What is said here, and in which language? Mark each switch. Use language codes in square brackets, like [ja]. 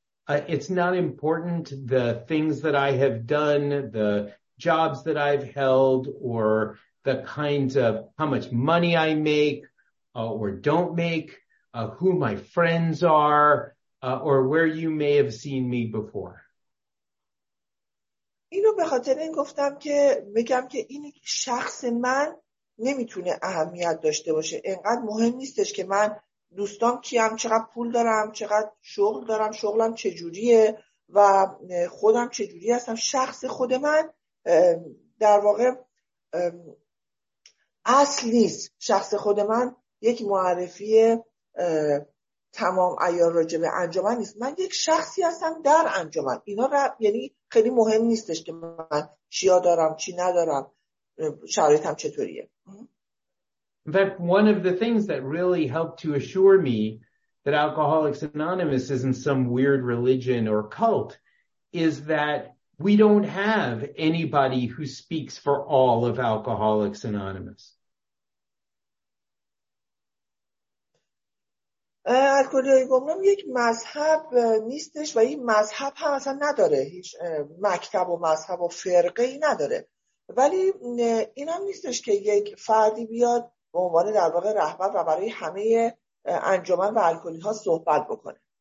[en] It's not important the things that I have done, the jobs that I've held, or the kinds of how much money I make or don't make, who my friends are, or where you may have seen me before. [fa] اینو به خاطر این گفتم که میگم که این شخص من نمیتونه اهمیت داشته باشه. اینقدر مهم نیستش که من دوستام کیم، چقدر پول دارم، چقدر شغل دارم، شغلم چجوریه و خودم چجوری هستم. شخص خود من در واقع اصل نیست. شخص خود من یک معرفی تمام عیار راجع به انجمن نیست. من یک شخصی هستم در انجمن. اینا یعنی خیلی مهم نیستش که من چیا دارم، چی ندارم، شرایطم چطوریه. [en] In fact, one of the things that really helped to assure me that Alcoholics Anonymous isn't some weird religion or cult is that we don't have anybody who speaks for all of Alcoholics Anonymous. [fa] الکلی گمنام یک مذهب نیستش و این مذهب هم اصلا نداره، هیچ مکتب و مذهب و فرقه ای نداره، ولی این هم نیستش که یک فردی بیاد به عنوان در واقع رهبر و برای همه انجمن و الکلی ها صحبت بکنه.